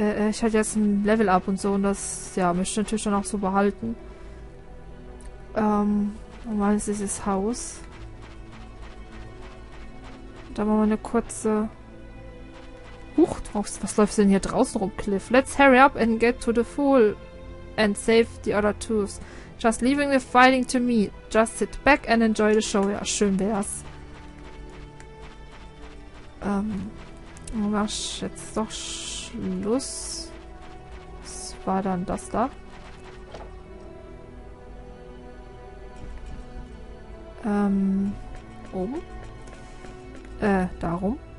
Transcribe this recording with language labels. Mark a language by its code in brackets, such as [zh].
[de] ich hatte jetzt ein Level up und so und das, ja, möchte ich natürlich dann auch so behalten. Mal ist dieses Haus. Da machen wir eine kurze... Huch, was läuft denn hier draußen rum, Cliff? [en] Let's hurry up and get to the fool and save the other twos. Just leaving the fighting to me. Just sit back and enjoy the show. [de] Ja, schön wär's. Mach jetzt doch Schluss. Was war dann das da? Oben? Darum?